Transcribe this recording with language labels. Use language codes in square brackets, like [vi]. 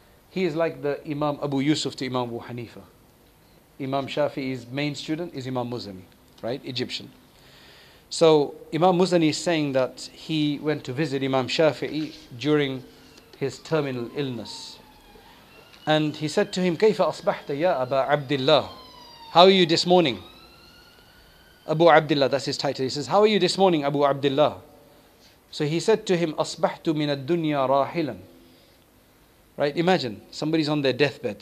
[en] He is like the Imam Abu Yusuf to Imam Abu Hanifa. Imam Shafi'i's main student is Imam Muzani, right? Egyptian. So Imam Muzani is saying that he went to visit Imam Shafi'i during his terminal illness. And he said to him, [ar] كيف أصبحت يا أبا عبد الله? [en] How are you this morning? Abu Abdullah, that's his title. He says, how are you this morning, Abu Abdullah? So he said to him, [ar] أصبحت من الدنيا راحلا. [en] Right, imagine, somebody's on their deathbed.